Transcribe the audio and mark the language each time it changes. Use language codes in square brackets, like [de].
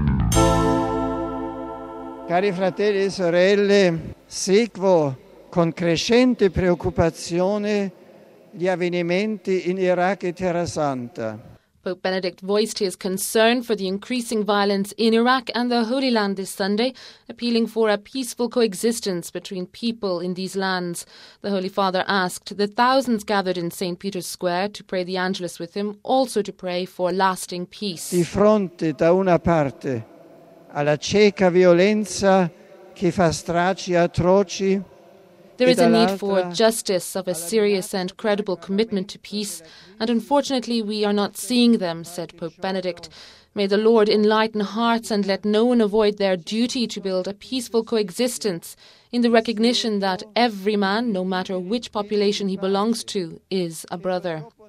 [it] Cari fratelli e sorelle, seguo con crescente preoccupazione gli avvenimenti in Iraq e Terra Santa. [en] Pope Benedict voiced his concern for the increasing violence in Iraq and the Holy Land this Sunday, appealing for a peaceful coexistence between people in these lands. The Holy Father asked the thousands gathered in St. Peter's Square to pray the Angelus with him, also to pray for lasting peace. [it] Di fronte da una parte alla cieca violenza che fa stragi atroci, [en] there is a need for justice, of a serious and credible commitment to peace, and unfortunately we are not seeing them, said Pope Benedict. May the Lord enlighten hearts and let no one avoid their duty to build a peaceful coexistence in the recognition that every man, no matter which population he belongs to, is a brother.